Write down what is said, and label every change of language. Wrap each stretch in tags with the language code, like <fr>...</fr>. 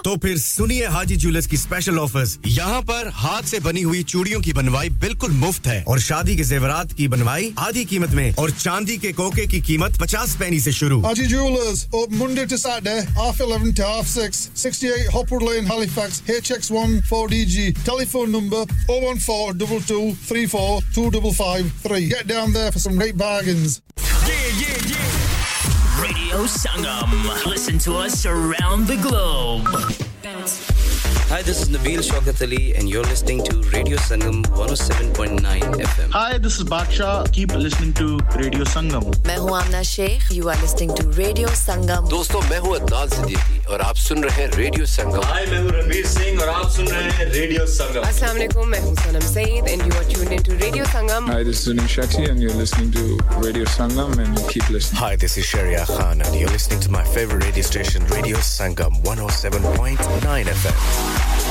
<hi>तो फिर सुनिए हाजी जूलर्स की स्पेशल ऑफर्स यहां पर हाथ से बनी हुई चूड़ियों की बनवाई बिल्कुल मुफ्त है और शादी के जेवरात की बनवाई आधी कीमत में और चांदी के कोके की कीमत 50 पैसे से शुरू</hi> <en>Haji jewellers open Monday to Saturday half 11 to half 6 68 Hopper in Halifax, HX1 4DG. Telephone number 01422342553. Get down there for some great bargains. Yeah, yeah, yeah. Radio Sangam. Listen to us around the globe. Hi, this is Nabeel Shaukat Ali, and you're listening to Radio Sangam 107.9 FM. Hi, this is Baksha. Keep listening to Radio Sangam.</en> <hi>मैं हूँ आमना Sheikh.</hi> <en>You are listening to Radio Sangam.</en> <hi>दोस्तों मैं हूँ अदनान सिद्दीकी और आप सुन रहे हैं Radio Sangam. Hi, मैं हूँ रणवीर सिंह और आप सुन रहे हैं Radio Sangam.</hi> <ar>Assalamualaikum.</ar> <hi>मैं हूँ सनम Saeed</hi> <en>and you are tuned into Radio Sangam. Hi, this is Sunil Shetty and you're listening to Radio Sangam and keep listening. Hi, this is Sharia Khan and you're listening to my favorite radio station, Radio Sangam 107.9 FM.</en>